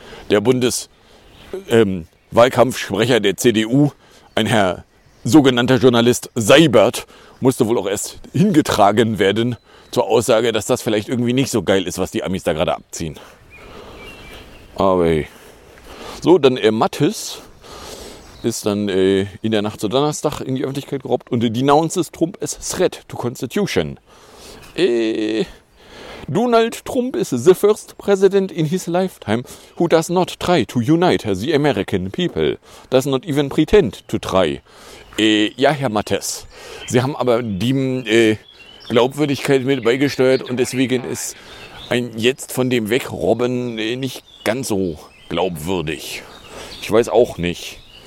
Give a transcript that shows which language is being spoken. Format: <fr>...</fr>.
<de>Der Bundeswahlkampfsprecher der CDU, ein Herr sogenannter Journalist Seibert, musste wohl auch erst hingetragen werden zur Aussage, dass das vielleicht irgendwie nicht so geil ist, was die Amis da gerade abziehen. Aber so, dann Mattis ist dann in der Nacht zu Donnerstag in die Öffentlichkeit gerobbt und</de> <en>denounces Trump as threat to Constitution. Donald Trump is the first president in his lifetime who does not try to unite the American people. Does not even pretend to try.</en> <de>Ja, Herr Mattes, Sie haben aber dem Glaubwürdigkeit mit beigesteuert und deswegen ist ein jetzt von dem Wegrobben nicht ganz so glaubwürdig. Ich weiß auch nicht.</de>